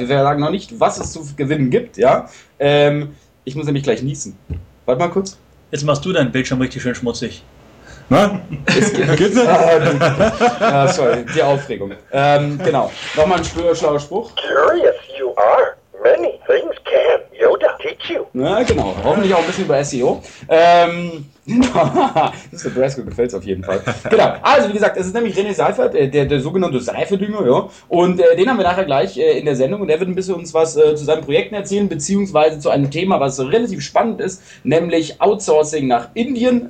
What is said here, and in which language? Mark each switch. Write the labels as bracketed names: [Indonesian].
[German] Wir sagen noch nicht, was es zu gewinnen gibt. Ja? Ich muss nämlich gleich niesen. Warte mal kurz. Jetzt machst du deinen Bildschirm richtig schön schmutzig. Na? Geht's nicht? sorry, die Aufregung. Genau. Nochmal ein schlauer Spruch. [English] Curious you are. Many things can Yoda teach you. [German] Na, genau. Hoffentlich auch ein bisschen über SEO. Mr. Brasco gefällt es auf jeden Fall. Genau. Also, wie gesagt, es ist nämlich René Seifert, der sogenannte Seifert-Dünger, ja. Und den haben wir nachher gleich in der Sendung und der wird ein bisschen uns was zu seinen Projekten erzählen, beziehungsweise zu einem Thema, was relativ spannend ist, nämlich Outsourcing nach Indien.